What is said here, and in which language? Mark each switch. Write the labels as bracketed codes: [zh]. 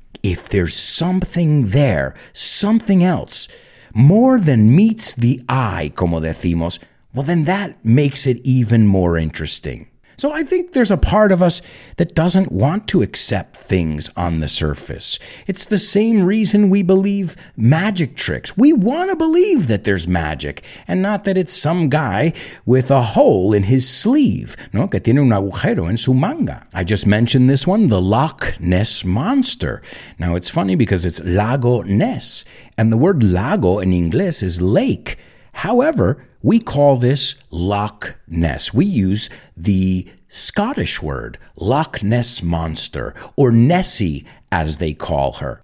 [en] If there's something there, something else, more than meets the eye, [es] como decimos, [en] well, then that makes it even more interesting. So I think there's a part of us that doesn't want to accept things on the surface. It's the same reason we believe magic tricks. We want to believe that there's magic and not that it's some guy with a hole in his sleeve. [es] No, que tiene un agujero en su manga. [en] I just mentioned this one, the Loch Ness Monster. Now, it's funny because it's Lago Ness, and the word lago in English is lake. However, we call this Loch Ness. We use the Scottish word, Loch Ness Monster, or Nessie, as they call her.